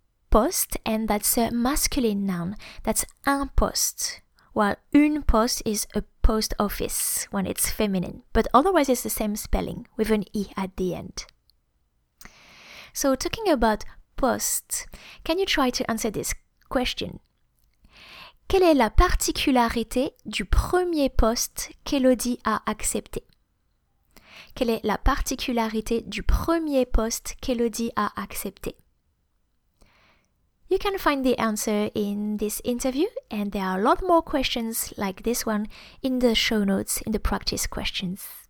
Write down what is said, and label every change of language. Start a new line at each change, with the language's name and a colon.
English: Poste, and that's a masculine noun, that's un poste, while une poste is a post office when it's feminine, but otherwise it's the same spelling with an E at the end. So talking about poste, can you try to answer this question?
French: Quelle est la particularité du premier poste qu'Elodie a accepté? Quelle est la particularité du premier poste qu'Elodie a accepté?
English: You can find the answer in this interview, and there are a lot more questions like this one in the show notes in the practice questions.